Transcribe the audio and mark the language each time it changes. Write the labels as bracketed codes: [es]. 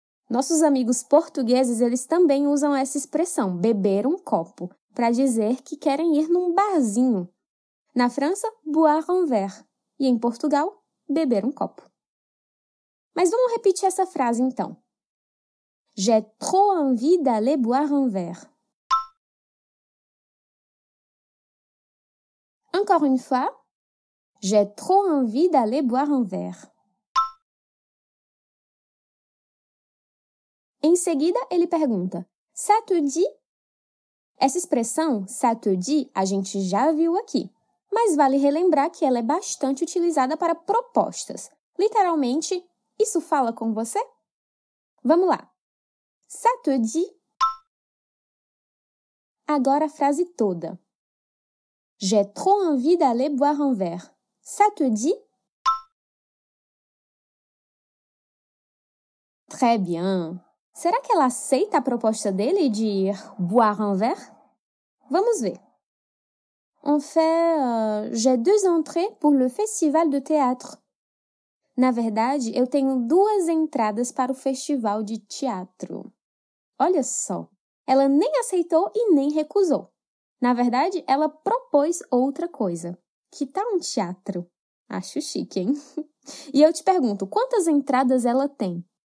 [pt] Nossos amigos portugueses, eles também usam essa expressão, beber um copo, para dizer que querem ir num barzinho. [fr] Na França, boire un verre. [pt] E em Portugal, beber um copo. Mas vamos repetir essa frase, então. [fr] J'ai trop envie d'aller boire un verre. Encore une fois, j'ai trop envie d'aller boire un verre. [pt] Em seguida, ele pergunta, [fr] ça te dit? [pt] Essa expressão, [fr] ça te dit, [pt] a gente já viu aqui. Mas vale relembrar que ela é bastante utilizada para propostas. Literalmente, isso fala com você? Vamos lá. [fr] Ça te dit? [pt] Agora a frase toda. [fr] J'ai trop envie d'aller boire un verre. Ça te dit? Très bien. [pt] Será que ela aceita a proposta dele de ir [fr] boire un verre? [pt] Vamos ver. [fr] En fait, j'ai deux entrées pour le festival de théâtre. [pt] Na verdade, eu tenho duas entradas para o festival de teatro. Olha só, ela nem aceitou e nem recusou. Na verdade, ela propôs outra coisa. Que tal um teatro? Acho chique, hein? E eu te pergunto, quantas entradas ela tem?